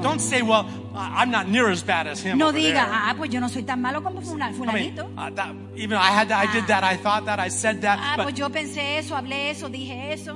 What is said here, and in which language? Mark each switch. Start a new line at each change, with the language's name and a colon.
English: Don't say, well, I'm not near as bad as him.
Spanish: No diga, ah, pues yo no soy tan malo como fulanito.
English: I mean, I did that, I thought that, I said that.
Spanish: Ah, pues yo pensé eso, hablé eso, dije eso.